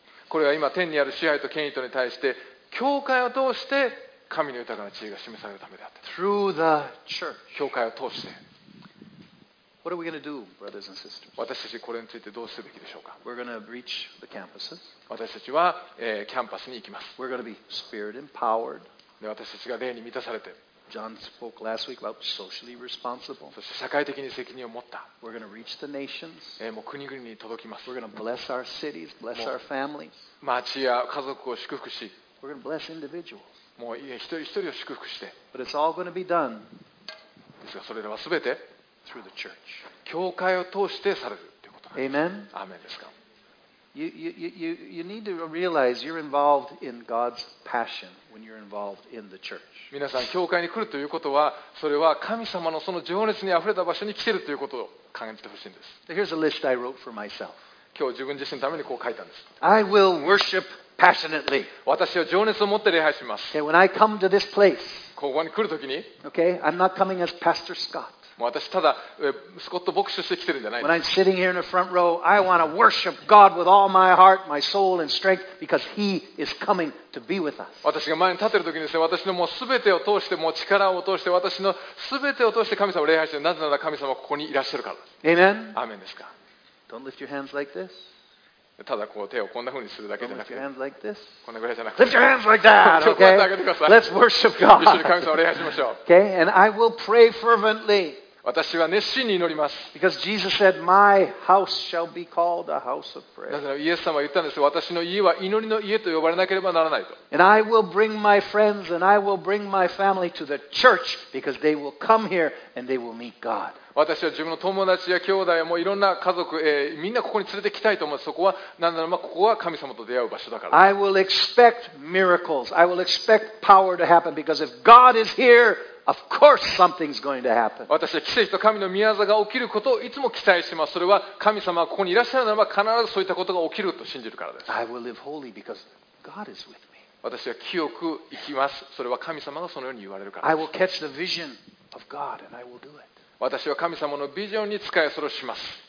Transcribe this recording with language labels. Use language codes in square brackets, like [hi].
[ja] これは今天にある支配と権威とに対して教会を通して。神の豊かな知恵が示されるためであって、教会を通して、 [en] What are we going to do, brothers and sisters? [ja] 私たちこれについてどうすべきでしょうか。 [en] We're going to reach the campuses. [ja] 私たちは、キャンパスに行きます。 [en] We're going to be spirit empowered. [ja] で、私たちが霊に満たされて、 [en] John spoke last week about socially responsible. [ja] そして社会的に責任を持った。 [en] We're going to reach the nations. [ja] もう国々に届きます。 [en] We're going to bless our cities, bless our families. [ja] 町や家族を祝福し、 [en] We're going to bless individuals. [ja] もう一人一人を祝福して。 [en] But it's all going to be done. [ja] ですがそれらはすべて [en] through the church. [ja] 教会を通してされるということなんです。 [en] Amen. [ja] アーメンですか。 [en] You need to realize you're involved in God's passion when you're involved in the church. [ja] 皆さん教会に来るということは、それは神様のその情熱にあふれた場所に来ているということを感じてほしいんです。 [en] So、here's a list I wrote for myself. [ja] 今日自分自身のためにこう書いたんです。 [en] I will worship passionately. [ja] 私は情熱を持って礼拝します。 [en] Okay, when I come to this place, [ja] ここに来るときに、 [en] okay, I'm not coming as Pastor Scott. [ja] もう私ただスコット牧師として来てるんじゃないです。 [en] When I'm sitting here in the front row, I want to worship God with all my heart, my soul, and strength because He is coming to be with us. [ja] 私が前に立ってるときにですね、私のもうすべてを通して、もう力を通して、私のすべてを通して神様を礼拝して、なぜなら神様はここにいらっしゃるから。 [en] Amen. [ja] アーメンですか。 [en] Don't lift your hands like this. [ja] ただこう手をこんな風にするだけじゃなくて、こんなぐらいじゃなくて、 [en] lift your hands like that. Okay. Let's worship God. [ja] 一緒に神様を礼拝しましょう。 [en] Okay. And I will pray fervently. [ja] 私は熱心に祈ります。 [en] Because Jesus said, "My house shall be called a house of prayer." [ja] なぜならイエス様は言ったんです。私の家は祈りの家と呼ばれなければならないと。 [en] And I will bring my friends and I will bring my family to the church because they will come here and they will meet God. [ja] 私は自分の友達や兄弟やもういろんな家族、みんなここに連れてきたいと思う。そこは何なら、まあ、ここは神様と出会う場所だから。 [en] I will expect miracles. I will expect power to happen because if God is here, of course something's going to happen. [ja] 私は奇跡と神の御業が起きることをいつも期待しています。それは神様がここにいらっしゃるならば必ずそういったことが起きると信じるからです。 [en] I will live holy because God is with me. [ja] 私は清く生きます。それは神様がそのように言われるからです。 [en] I will catch the vision of God and I will do it. [ja] 私は神様のビジョンに使いそれをします。